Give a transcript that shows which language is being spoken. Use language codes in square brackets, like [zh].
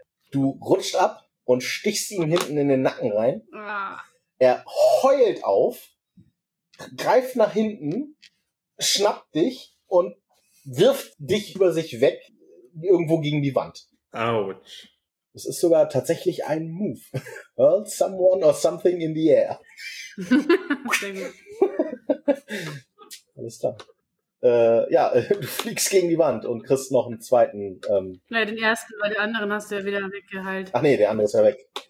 [de] Du rutschst ab und stichst ihm hinten in den Nacken rein. Ah. Er heult auf, greift nach hinten, schnappt dich und wirft dich über sich weg irgendwo gegen die Wand. Autsch. Das ist sogar tatsächlich ein Move. [en] Hurl someone or something in the air. [de] Alles klar. Du fliegst gegen die Wand und kriegst noch einen zweiten. Naja, den ersten, weil den anderen hast du ja wieder weggeheilt. Ach nee, der andere ist ja weg.